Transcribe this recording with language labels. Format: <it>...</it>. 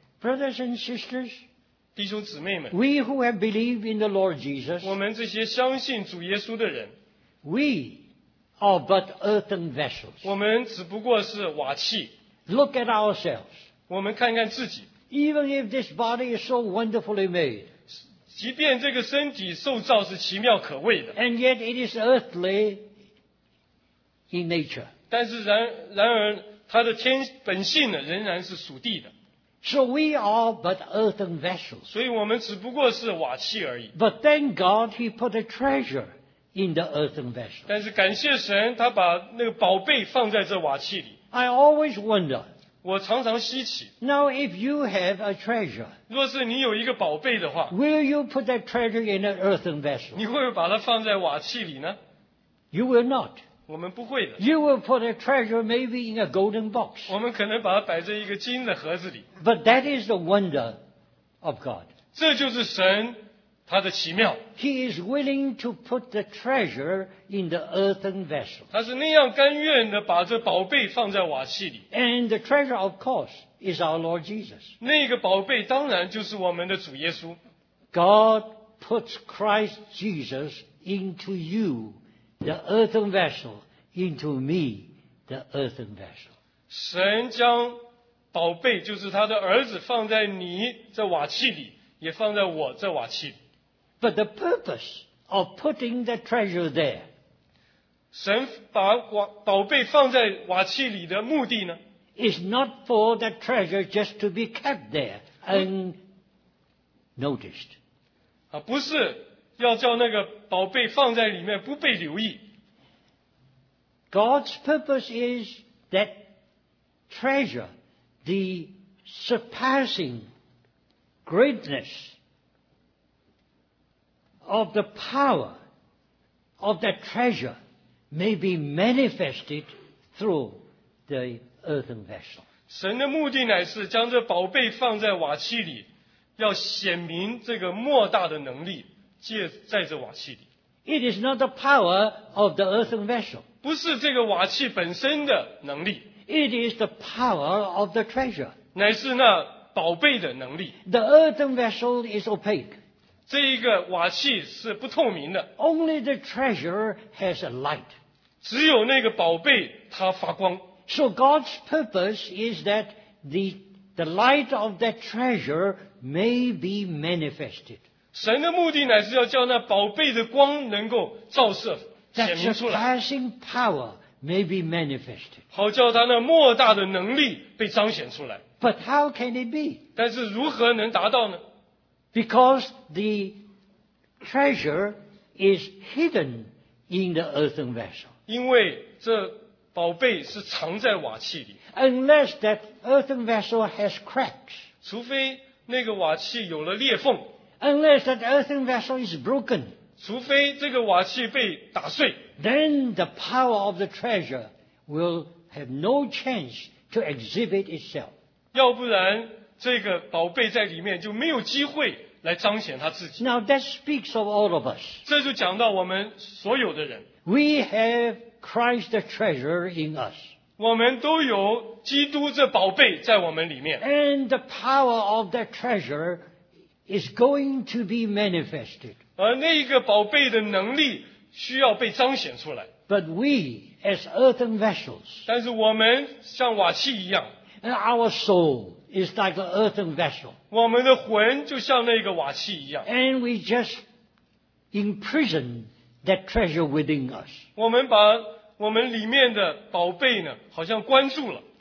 <en>Brothers and sisters,</en> <zh>弟兄姊妹们，</zh> <en>we who have believed in the Lord Jesus,</en> <zh>我们这些相信主耶稣的人，</zh> <en>we are but earthen vessels.</en> <zh>我们只不过是瓦器。</zh> <en>Look at ourselves.</en> <zh>我们看看自己。</zh> <en>Even if this body is so wonderfully made,</en> <zh>即便这个身体受造是奇妙可畏的，</zh> <en>and yet it is earthly in nature.</en> <zh>但是 然而它的天本性呢仍然是属地的。</zh> <en>So we are but earthen vessels.</en> <zh>所以我们只不过是瓦器而已。</zh> <en>But thank God he put a treasure in the earthen vessel.</en> <zh>但是感谢神他把那个宝贝放在这瓦器里。</zh> <en>I always wonder,</en> <zh>我常常稀奇。</zh> <en>Now, if you have a treasure,</en> <zh>若是你有一个宝贝的话，</zh> <en>will you put that treasure in an earthen vessel?</en> <zh>你会不会把它放在瓦器里呢？</zh> <en>You will not.</en> <zh>我们不会的。</zh> <en>You will put a treasure maybe in a golden box.</en> <zh>我们可能把它摆在一个金的盒子里。</zh> <en>But that is the wonder of God.</en> <zh>这就是神他的奇妙。</zh> <en>He is willing to put the treasure in the earthen vessel.</en> <zh>他是那样甘愿的把这宝贝放在瓦器里。</zh> <en>And the treasure, of course, is our Lord Jesus.</en> <zh>那个宝贝当然就是我们的主耶稣。</zh> <en>God puts Christ Jesus into you, the earthen vessel, into me, the earthen vessel.</en> <zh>神将宝贝就是他的儿子放在你这瓦器里，也放在我这瓦器里。</zh> <en>But the purpose of putting the treasure there,</en> <zh>神把宝贝放在瓦器里的目的呢，</zh> <en>is not for that treasure just to be kept there unnoticed.</en> <zh>不是要叫那个宝贝放在里面不被留意。</zh> <en>God's purpose is that treasure the surpassing greatness of the power of that treasure may be manifested through the earthen vessel.</en> <zh>神的目的乃是将这宝贝放在瓦器里，要显明这个莫大的能力，借在这瓦器里。</zh> <en>It is not the power of the earthen vessel.</en> <zh>不是这个瓦器本身的能力。</zh> <en>It is the power of the treasure.</en> <zh>乃是那宝贝的能力。</zh> <en>The earthen vessel is opaque.</en> <zh>这一个瓦器是不透明的。</zh> <en>Only the treasure has a light.</en> <zh>只有那个宝贝它发光。</zh> <en>So God's purpose is that the light of that treasure may be manifested.</en> <zh>神的目的乃是要叫那宝贝的光能够照射显明出来。</zh> <en>That surpassing power may be manifested.</en> <zh>好叫他那莫大的能力被彰显出来。</zh> <en>But how can it be?</en> <zh>但是如何能达到呢？</zh> <en>Because the treasure is hidden in the earthen vessel.</en> <zh>因为这宝贝是藏在瓦器里。</zh> <en>Unless that earthen vessel has cracks.</en> <zh>除非那个瓦器有了裂缝。</zh> <en>Unless that earthen vessel is broken.</en> <zh>除非这个瓦器被打碎。</zh> <en>Then the power of the treasure will have no chance to exhibit itself.</en> <zh>要不然这个宝贝在里面就没有机会来彰显他自己。</zh> <en>Now that speaks of all of us.</en> <zh>这就讲到我们所有的人。</zh> <en>We have Christ the treasure in us.</en> <zh>我们都有基督这宝贝在我们里面。</zh> <en>And the power of that treasure is going to be manifested.</en> <zh>而那个宝贝的能力需要被彰显出来。</zh> <en>But we as earthen vessels.</en> <zh>但是我们像瓦器一样。</zh> <en>And our soul is like an earthen vessel.</en> <zh>我们的魂就像那个瓦器一样。</zh> <en>And we just imprison that treasure within us.</en> <zh>我们把我们里面的宝贝呢好像关住了。</zh>